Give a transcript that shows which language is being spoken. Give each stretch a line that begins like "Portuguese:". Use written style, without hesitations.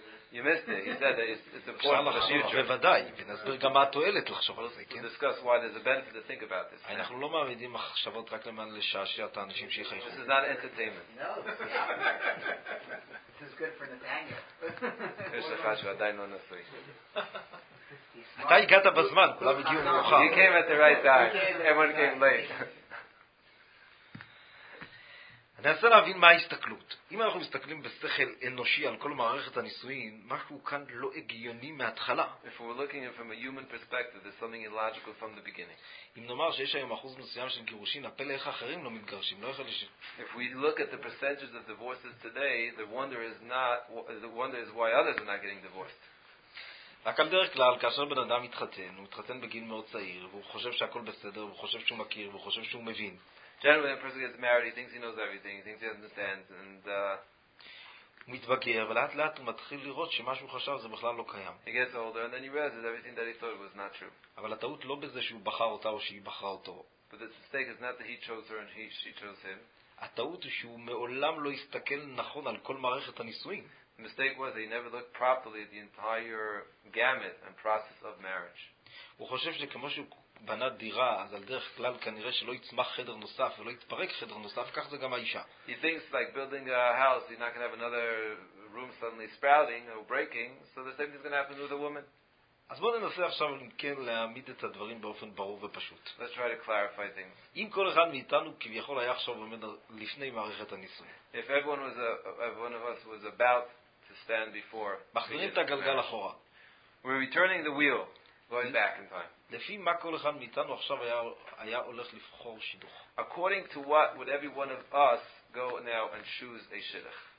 English: You missed it. He said it's important for the future.
Hebrew: בוודאי, ונסביר גם מה התועלת לחשוב על זה, כן?
English: To discuss why there's a benefit to think about this.
Hebrew: אנחנו לא מעמידים מחשבות רק למען לשעשע את האנשים שיחייכו.
English: This is not entertainment. No, this is good for Nathaniel.
Hebrew: יש לך שהוא עדיין לא נשוי. אתה הגעת בזמן, כולם הגיעו מרוחה.
English: You came at the right time. Everyone came late.
Hebrew: אני אנסה להבין מה ההסתכלות. אם אנחנו מסתכלים בשכל אנושי על כל מערכת הנישואין, משהו כאן לא הגיוני מההתחלה.
English: If we're looking at it from a human perspective, there's something illogical from the beginning.
Hebrew: אם נאמר שיש היום אחוז מסוים של גירושין, הפלא איך אחרים לא מתגרשים, לא יכול להיות.
English: If we look at the percentages of divorces today, the wonder is why others are not getting divorced.
Hebrew: רק על דרך כלל, כאשר בן אדם מתחתן, הוא מתחתן בגיל מאוד צעיר, והוא חושב שהכל בסדר, והוא חושב שהוא מכיר, והוא חושב שהוא מבין.
English: Generally, when a person gets married, he thinks he knows everything, he thinks he understands, and...
Hebrew: הוא מתבגר, ולאט לאט הוא מתחיל לראות שמה שהוא חשב זה בכלל לא קיים.
English: He gets older, and then he realizes everything that he thought was not true.
Hebrew: אבל הטעות לא בזה שהוא בחר אותה או שהיא בחרה אותו.
English: But the mistake is not that he chose her and she chose him.
Hebrew: הטעות היא שהוא מעולם לא הסתכל נכון על כל מערכת הנישואים.
English: The mistake was that he never looked properly at the entire gamut and process of marriage.
Hebrew: הוא חושב שכמו שהוא בנה דירה, אז על דרך כלל כנראה שלא יצמח חדר נוסף ולא יתפרק חדר נוסף, כך זה גם האישה.
English: He thinks like building a house, you're not going to have another room suddenly sprouting or breaking, so the same thing is going to happen with a woman.
Hebrew: אז בואו ננסה עכשיו כן להעמיד את הדברים באופן ברור ופשוט.
English: Let's try to clarify things.
Hebrew: אם כל אחד מאיתנו כביכול היה עכשיו עומד לפני מערכת הניסוי.
English: If everyone was one of us was about to stand before.
Hebrew: מחזירים את הגלגל אחורה.
English: We're returning the wheel, going back in time.
Hebrew: לפי מה כל אחד מאיתנו עכשיו היה הולך לבחור שידוך.
English: According to what would every one of us go now and choose a שידוך.